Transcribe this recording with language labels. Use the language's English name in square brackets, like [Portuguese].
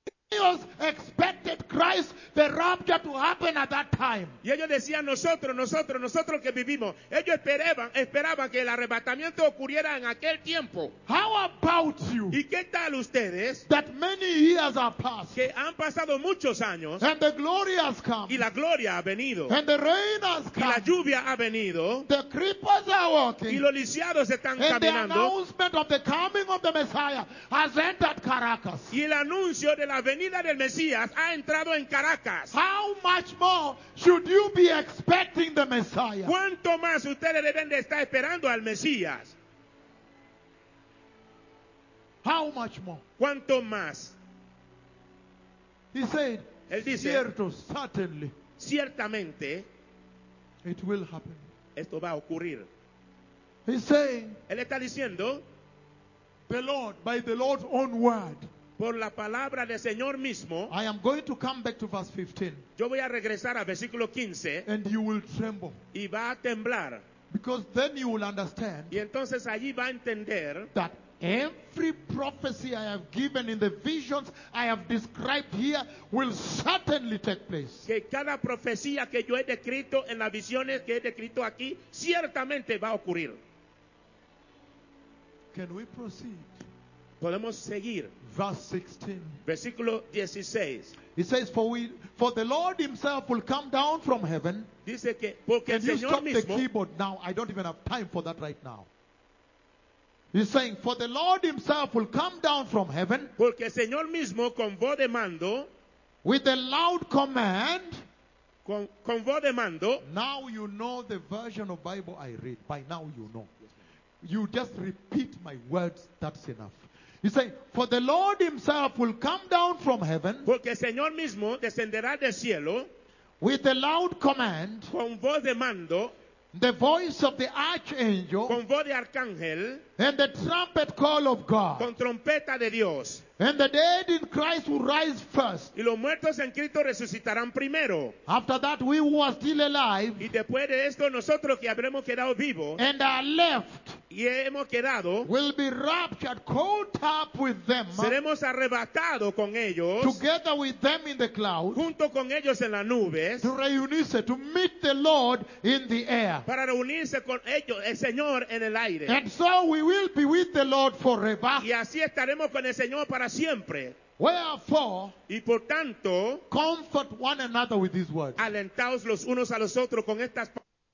[English] Expected Christ the rapture to happen at that time. [Spanish] Y ellos decían nosotros que vivimos, ellos esperaban que el arrebatamiento ocurriera en aquel tiempo. [English] How about you? [Spanish] ¿Y qué tal ustedes? [English] That many years have passed. [Spanish] Que han pasado muchos años. [English] And the glory has come. [Spanish] Y la gloria ha venido. [English] And the rain has come. [Spanish] Y la lluvia ha venido. [English] The creepers are walking. [Spanish] Y los lisiados están [English] and [Spanish] caminando. [English] The announcement of the coming of the Messiah has entered Caracas. [Spanish] Y el anuncio de la venida del Mesías ha entrado en Caracas. [English] How much more should you be expecting the Messiah? [Spanish] ¿Cuánto más ustedes deben de estar esperando al Mesías? [English] How much more? [Spanish] ¿Cuánto más? [English] He said, [Spanish] él dice, cierto, [English] certainly, [Spanish] ciertamente, [English] it will happen. [Spanish] Esto va a ocurrir. [English] He's saying, [Spanish] él está diciendo, [English] the Lord, by the Lord's own word, [Spanish] por la palabra del Señor mismo, [English] I am going to come back to verse 15. [Spanish] Yo voy a regresar a versículo 15. [English] And you will tremble. [Spanish] Y va a temblar. [English] Because then you will understand. [Spanish] Y entonces allí va a entender. [English] That every prophecy I have given in the visions I have described here will certainly take place. [Spanish] Que cada profecía que yo he descrito en las visiones que he descrito aquí ciertamente va a ocurrir. [English] Can we proceed? [Spanish] Podemos seguir. [English] Verse 16. [Spanish] Versículo 16. [English] It says, for the Lord himself will come down from heaven. [Spanish] Dice que porque [English] can [Spanish] el Señor [English] you stop [Spanish] mismo, [English] the keyboard now? I don't even have time for that right now. He's saying, for the Lord himself will come down from heaven. [Spanish] Porque el Señor mismo con voz de mando. [English] With a loud command. [Spanish] Con voz de mando. [English] Now you know the version of Bible I read. By now you know. You just repeat my words. That's enough. He said, for the Lord himself will come down from heaven. [Spanish] Porque el Señor mismo descenderá del cielo. [English] With a loud command. [Spanish] Con voz de mando. [English] The voice of the archangel. [Spanish] Con voz de arcángel. [English] And the trumpet call of God. [Spanish] Con trompeta de Dios. [English] And the dead in Christ will rise first. [Spanish] Y los muertos en Cristo resucitarán primero. [English] After that we who are still alive. [Spanish] Y después de esto nosotros que habremos quedado vivos. [English] And are left. [Spanish] Y hemos quedado. [English] Will be raptured, caught up with them. [Spanish] Seremos arrebatados con ellos. [English] Together with them in the clouds. [Spanish] Junto con ellos en las nubes. [English] To [Spanish] reunirse, [English] to meet the Lord in the air. [Spanish] Para reunirse con ellos, el Señor en el aire. [English] And so we will be with the Lord forever. [Spanish] Y así estaremos con el Señor para siempre. [English] Wherefore, [Spanish] y por tanto, [English] comfort one another with these words. [Spanish] Alentaos los unos a los otros con estas palabras.